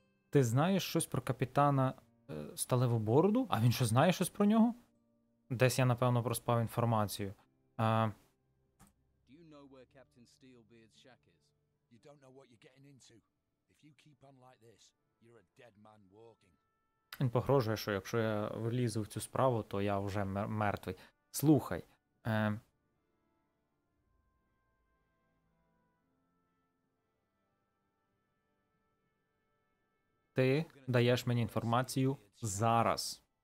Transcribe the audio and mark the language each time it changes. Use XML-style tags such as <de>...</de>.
<uk>Ти знаєш щось про капітана... Сталеву бороду? А він що, знає щось про нього? Десь я, напевно, проспав інформацію.</uk> <en>You know where Captain Steelbeard's shack is? You don't know what you're getting into. If you keep on like this, you're a dead man walking.</en> <uk>Він погрожує, що якщо я влізу в цю справу, то я вже мертвий. Слухай. Ти даєш мені інформацію зараз.</uk>